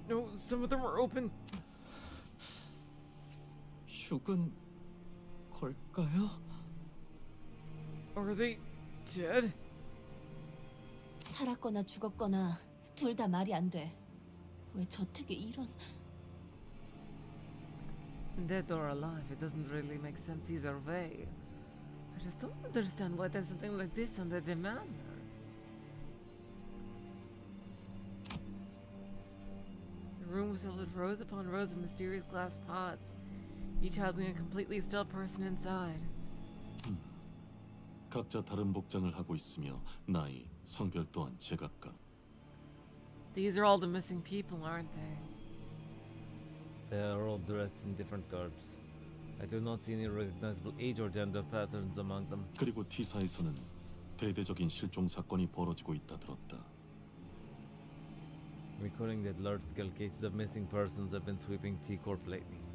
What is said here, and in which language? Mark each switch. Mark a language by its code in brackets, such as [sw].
[en] No, some of them are open. [ko] 죽은 걸까요? [en] Are they dead? [ko] 살았거나 죽었거나 둘 다 말이 안 돼. 왜 저택에 이런? [en] Dead or alive, it doesn't really make sense either way. I just don't understand why there's something like this under the manor. [ko] 실은 [en] rose upon rose of mysterious glass pots, each housing a completely still person inside. [ko] 각자 다른 복장을 하고 있으며 나이, 성별 또한 제각각. [en] These are all the missing people, aren't they? They are all dressed in different garbs. I do not see any recognizable age or gender patterns among them. [ko] 그리고 T사에서는 대대적인 실종 사건이 벌어지고 있다 들었다. [en] Recalling that large-scale cases of missing persons have been sweeping T-Corp lately.